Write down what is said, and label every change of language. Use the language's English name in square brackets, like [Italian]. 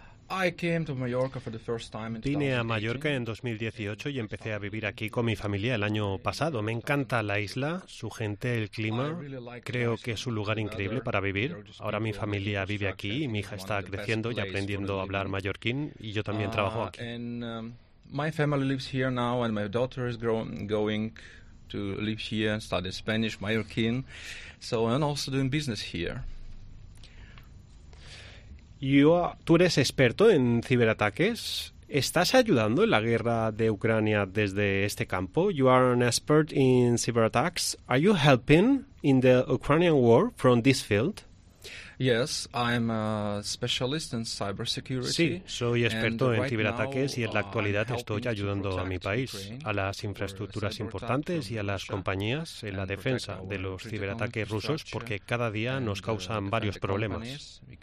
[Spanish] Vine a Mallorca en 2018 y empecé a vivir aquí con mi familia el año pasado. Me encanta la isla, su gente, el clima. Creo que es un lugar increíble para vivir. Ahora mi familia vive aquí y mi hija está creciendo y aprendiendo a hablar mallorquín y yo también trabajo aquí. [English] My family lives here now and my daughter is going to live here and study Spanish mallorquín. So I'm also doing business here. [Spanish] Tú eres experto en ciberataques. ¿Estás ayudando en la guerra de Ucrania desde este campo? [English] You are an expert in cyberattacks. Are you helping in the Ukrainian war from this field? Yes, I'm a specialist in cybersecurity. [Spanish] Sí, soy experto en ciberataques y en la actualidad estoy ayudando a mi país, a las infraestructuras importantes y a las compañías en la defensa de los ciberataques rusos porque cada día nos causan varios problemas.